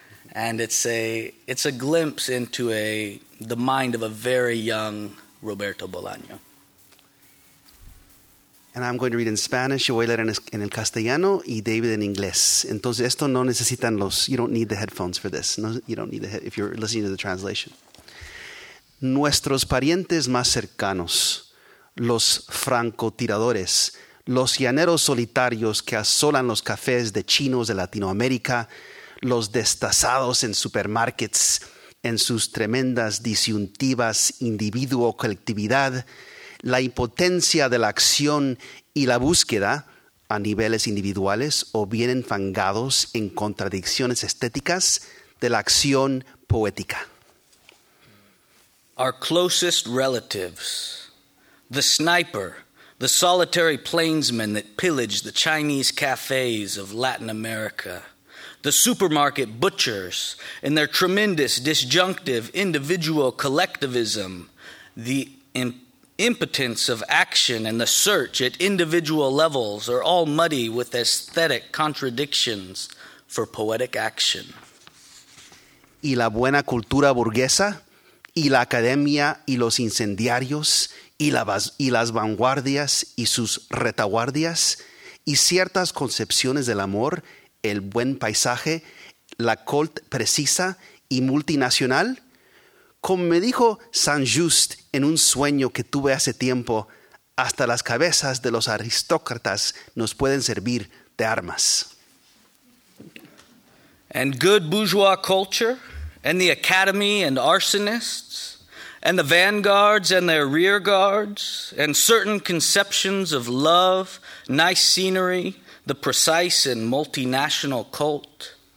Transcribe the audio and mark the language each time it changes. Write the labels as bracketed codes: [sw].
[en] And it's a glimpse into the mind of a very young Roberto Bolaño. And I'm going to read in Spanish, [es] yo voy a leer en el castellano, y David en inglés. Entonces, esto no necesitan los, [en] you don't need the headphones for this. No, you don't need the if you're listening to the translation. [es] Nuestros parientes más cercanos, los francotiradores, los llaneros solitarios que asolan los cafés de chinos de Latinoamérica, los destazados en supermarkets, en sus tremendas disyuntivas individuo-colectividad, la impotencia de la acción y la búsqueda a niveles individuales o bien enfangados en contradicciones estéticas de la acción poética. [en] Our closest relatives, the sniper, the solitary plainsman that pillaged the Chinese cafes of Latin America, the supermarket butchers in their tremendous disjunctive individual collectivism, the impotence of action and the search at individual levels are all muddy with aesthetic contradictions for poetic action. [es] Y la buena cultura burguesa, y la academia, y los incendiarios, y las vanguardias, y sus retaguardias, y ciertas concepciones del amor, el buen paisaje, la colt precisa y multinacional? Como me dijo Saint-Just en un sueño que tuve hace tiempo, hasta las cabezas de los aristócratas nos pueden servir de armas. [en] And good bourgeois culture, and the academy and arsonists, and the vanguards and their rear guards, and certain conceptions of love, nice scenery, the precise and multinational cult.